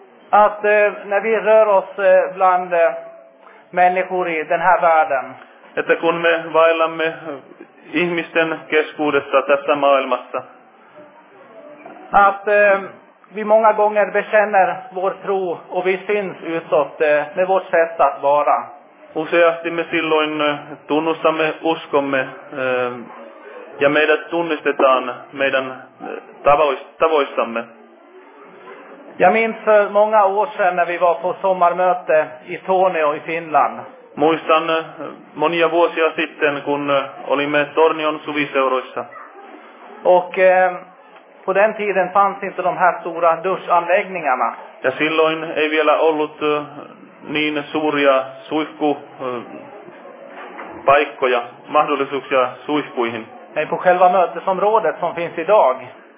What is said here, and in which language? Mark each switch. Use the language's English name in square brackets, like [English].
[Swedish] Att när vi rör oss bland människor i den här världen. [Finnish] Että kun me vaellamme ihmisten keskuudessa tässä maailmassa. [Swedish] Att vi många gånger bekänner vår tro och vi syns utåt med vårt sätt att vara. [Finnish] Useasti me silloin tunnustamme uskomme ja meidät tunnistetaan meidän tavoissamme. [Swedish] Jag minns för många år sedan när vi var på sommarmöte i Tornio i Finland. [Finnish] Muistan monia vuosia sitten, kun olimme Tornion suviseuroissa. [Swedish] Och på den tiden fanns inte de här stora duschanläggningarna. [Finnish] Ja silloin ei vielä ollut niin suuria suihku paikkoja, mahdollisuuksia suihkuihin. [Swedish] Nej, på själva mötesområdet som finns idag.